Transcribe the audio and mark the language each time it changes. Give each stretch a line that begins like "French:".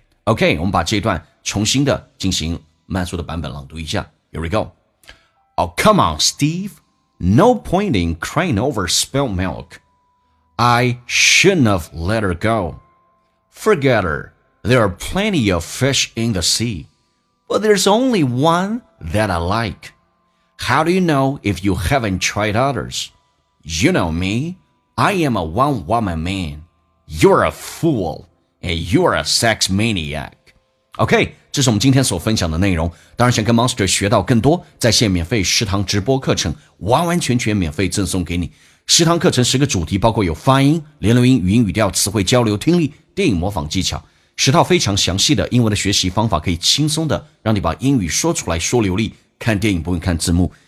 Chinese: OK， 我们把这段重新的进行慢速的版本朗读一下。
English: Here we go。 Oh come on Steve， No point in crying over spilled milk， I shouldn't have let her go， Forget her， There are plenty of fish in the sea， But there's only one that I like， How do you know if you haven't tried others？ You know me, I am a one-woman man. You're a fool, and you're a sex maniac.
Chinese: OK， 这是我们今天所分享的内容。当然想跟 Monster 学到更多，在线免费食堂直播课程完完全全免费赠送给你。食堂课程十个主题，包括有发音、连读音、语音语调、词汇交流、听力、电影模仿技巧，十套非常详细的英文的学习方法，可以轻松的让你把英语说出来说流利，看电影不用看字幕。